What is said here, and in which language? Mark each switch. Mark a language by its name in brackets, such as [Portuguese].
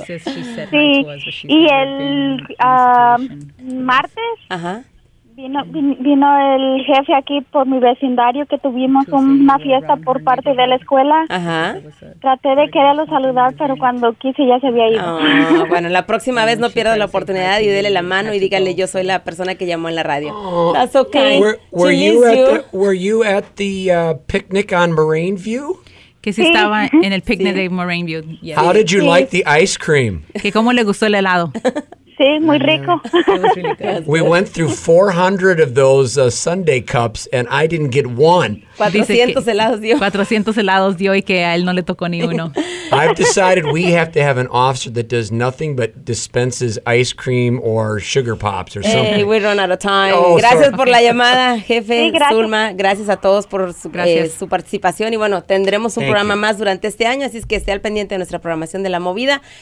[Spanish] Sí, y el martes vino el jefe aquí por mi vecindario que tuvimos una fiesta por parte de la escuela. Ajá. Traté de quererlo saludar, pero cuando quise ya se había ido. Oh, bueno, la próxima vez no pierda la oportunidad y dele la mano y dígale yo soy la persona que llamó en la radio. Oh, [English] that's okay. Were you at the picnic on Moraine View? [Spanish] Que si estaba en el picnic de Moraine View. [English] Yeah. How did you like the ice cream? [Spanish] Que cómo le gustó el helado. Sí, muy rico. [English] We went through 400 of those Sunday cups, and I didn't get one. [Spanish] 400 helados dio. 400 helados dio y que a él no le tocó ni uno. [English] I've decided we have to have an officer that does nothing but dispenses ice cream or sugar pops or something. We run out of time. [Spanish] Oh, gracias por la llamada, jefe. Sí, gracias. Zulma, gracias a todos por su participación. Y bueno, tendremos un Thank programa you. Más durante este año, así es que esté al pendiente de nuestra programación de La Movida.